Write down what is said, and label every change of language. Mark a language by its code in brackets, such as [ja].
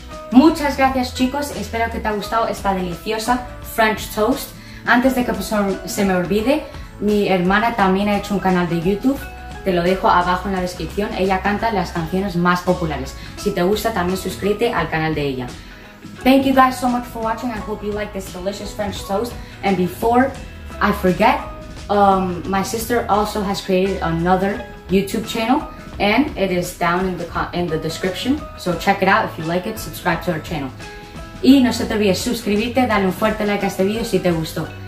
[es] Muchas gracias, chicos. Espero que te haya gustado esta deliciosa French toast. Antes de que se me olvide, mi hermana también ha hecho un canal de YouTube. Te lo dejo abajo en la descripción. Ella canta las canciones más populares. Si te gusta, también suscríbete al canal de ella. [en] Thank you guys so much for watching. I hope you like this delicious French toast. And before I forget, my sister also has created another YouTube channel. And it is down in the description. So check it out. If you like it, subscribe to our channel. [es] Y no se te olvide suscribirte, darle un fuerte like a este video si te gustó.